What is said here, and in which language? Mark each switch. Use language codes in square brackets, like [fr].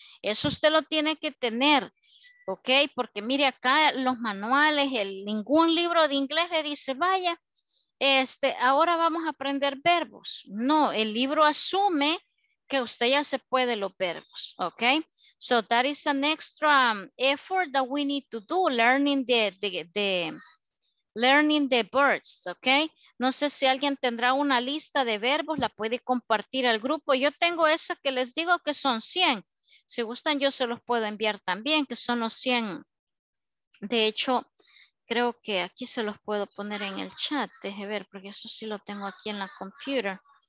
[es] Eso usted lo tiene que tener, ¿ok? Porque mire acá los manuales, ningún libro de inglés le dice, vaya, ahora vamos a aprender verbos. No, el libro asume que usted ya se puede los verbos, ¿ok? [en] So that is an extra effort that we need to do, learning the verbs, ¿ok? [es] No sé si alguien tendrá una lista de verbos, la puede compartir al grupo. Yo tengo esa que les digo que son 100. Si gustan, yo se los puedo enviar también, que son los 100. De hecho, creo que aquí se los puedo poner en el chat, deje ver, porque eso sí lo tengo aquí en la computer.